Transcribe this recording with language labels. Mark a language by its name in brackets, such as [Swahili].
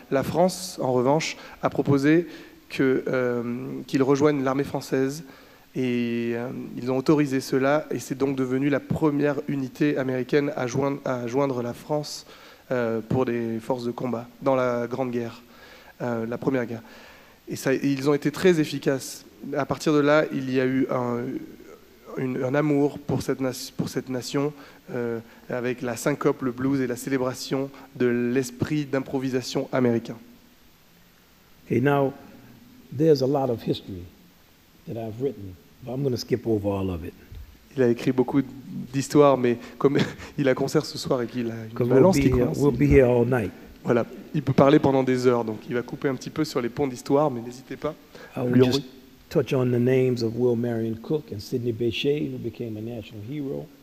[French] La France, en revanche, a proposé qu'ils rejoignent l'armée française et ils ont autorisé cela et c'est donc devenu la première unité américaine à joindre la France pour des forces de combat dans la Grande Guerre, la Première Guerre. Et ils ont été très efficaces. À partir de là, il y a eu un amour pour cette nation avec la syncope, le blues et la célébration de l'esprit d'improvisation américain. [English] Okay, now there's a lot of history that I've written, but I'm going to skip over all of it. [French] Il a écrit beaucoup d'histoires, mais comme il a concert ce soir et qu'il a une balance qui commence, [English] we'll be here all night. [French] Voilà, il peut parler pendant des heures, donc il va couper un petit peu sur les ponts d'histoire, mais n'hésitez pas. [English] Touch on the names of Will Marion Cook and Sidney Bechet, who became a national hero.